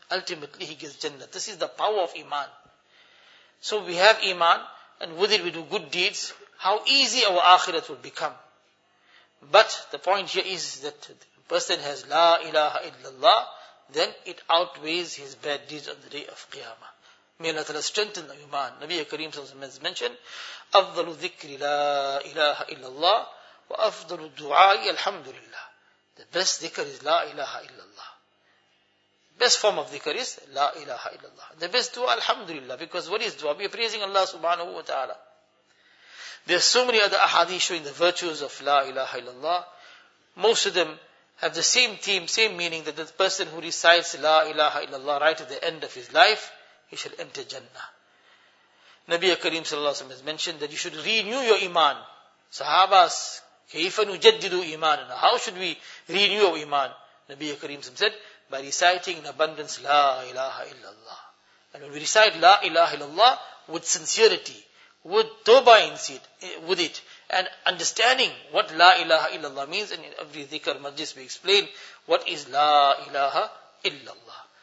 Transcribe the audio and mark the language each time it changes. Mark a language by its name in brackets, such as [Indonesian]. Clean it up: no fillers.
[English] Ultimately he gets Jannat. This is the power of Iman. So we have Iman, and with it we do good deeds. How easy our Akhirat will become. But the point here is that the person has La ilaha illallah, then it outweighs his bad deeds on the day of Qiyamah. May Allah Ta'ala strengthen the Iman. Nabi Kareem has mentioned, [Arabic] أَفْضَلُ ذِكْرِ لَا إِلَهَ إِلَّا اللَّهِ وَأَفْضَلُ الدُّعَاءِ الْحَمْدُ لِلَّهِ. [English] The best dhikr is La ilaha illallah. Best form of dhikr is La ilaha illallah. The best dua, Alhamdulillah. Because what is dua? We are praising Allah subhanahu wa ta'ala. There are so many other ahadith showing the virtues of La ilaha illallah. Most of them have the same theme, same meaning, that the person who recites La ilaha illallah right at the end of his life, he shall enter Jannah. Nabi Kareem sallallahu alaihi wasallam has mentioned that you should renew your Iman. Sahabas, [Arabic] كَيْفَ نُجَدِّدُ إِمَانَنَا. [English] How should we renew our Iman? Nabi Kareem said, by reciting in abundance, La ilaha illallah. And when we recite La ilaha illallah with sincerity, with tawbah in it, with it, and understanding what La ilaha illallah means, and in every dhikr majlis we explain, what is La ilaha illallah.